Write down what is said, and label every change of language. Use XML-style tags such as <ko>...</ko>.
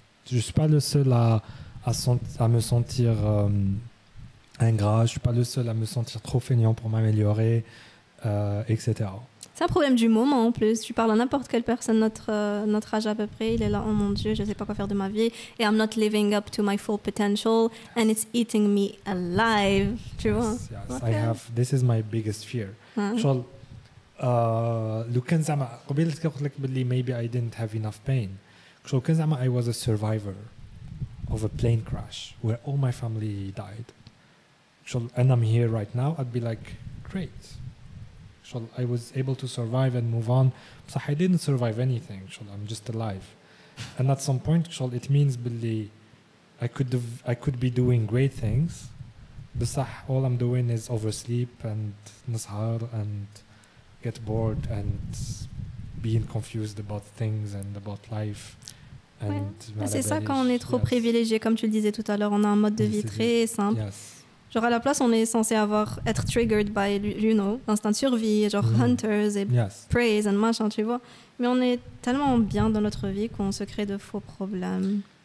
<fr>Je suis pas le seul à me sentir ingrat. Je suis pas le seul à me sentir trop fainéant pour m'améliorer, etc. C'est un problème du moment en plus. Tu parles à n'importe quelle personne notre âge à peu près. Il est là, oh mon Dieu, je ne sais pas quoi faire de ma vie.</fr> <en>Et I'm not living up to my full potential, and it's eating me alive.</en> <fr>Tu vois?</fr> <en>Yes. Okay. I have. This is my biggest fear. Maybe I didn't have enough pain. I was a survivor of a plane crash where all my family died. And I'm here right now. I'd be like, great. I was able to survive and move on. So I didn't survive anything. I'm just alive. And at some point, it means I could be doing great things. But all I'm doing is oversleep and nashar and get bored and being confused about things and about life. And</en> <fr>ouais. C'est ça quand on est trop privilégié, comme tu le disais tout à l'heure, on a un mode de vie très simple.</fr> <en>Yes.</en> <fr>Genre à la place, on est censé être</fr> <en>triggered by,</en> <fr>l'instinct de survie, genre</fr> <en>hunters</en> <fr>et</fr> <en>prey and</en> <fr>machin, tu vois. Mais on est tellement bien dans notre vie qu'on se crée de faux problèmes.</fr>